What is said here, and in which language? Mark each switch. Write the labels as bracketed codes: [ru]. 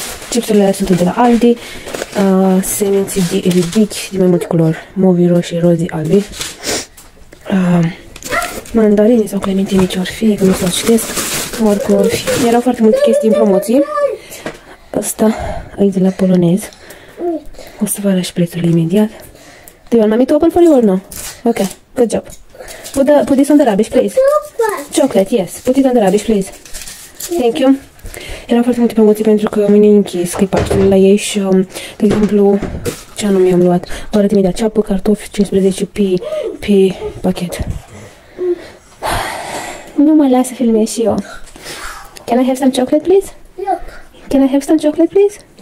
[ro] Chipsurile astea sunt de la Aldi. Semințe de ridici de mai multe culori. Movi, roșii, rozi, albi. Mandarini sau clementine, ce ori fi, că nu s-o citesc. Oricum ori fi. Erau foarte multe chestii în promoție. Asta e de la polonez. O să vă arăt și prețul imediat. [en] Do you want mommy to open for you or no? Ok, good job. Put this on the rubbish, please. Chocolate, yes. Put it on the rubbish, please. Thank you. [ro] Erau foarte multe promoții pentru că mâine închis, că-i paștele la ei și, de exemplu, ce anume am luat? Vă arăt imediat ceapă, cartofi, 15 pe pachet. Nu mă lasă să filmez și eu. [en] Can I have some chocolate, please? Look. Can I have some chocolate, please?